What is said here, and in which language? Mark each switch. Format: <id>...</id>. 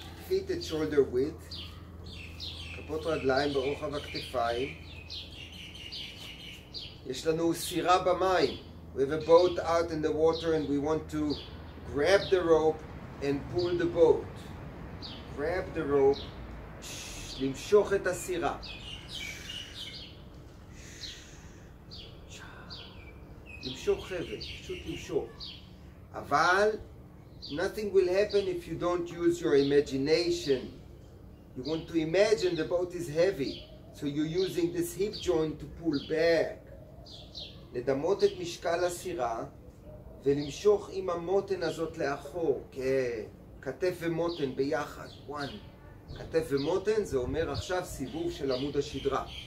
<en>Feet at shoulder width,</en> <he>כפות רגליים ברוחב הכתפיים. יש לנו סירה במים.</he> <en>We have a boat out in the water and we want to grab the rope and pull the boat. Grab the rope,</en> <he>למשוך את הסירה. למשוך חבל, פשוט למשוך. אבל</he> <en>nothing will happen if you don't use your imagination. You want to imagine the boat is heavy, so you're using this hip joint to pull back.</en> <he>לדמות את משקל הסירה ולמשוך עם המותן הזאת לאחור, כתף ומותן ביחד.</he> <en>One.</en> <he>כתף ומותן זה אומר עכשיו סיבוב של עמוד השדרה.</he>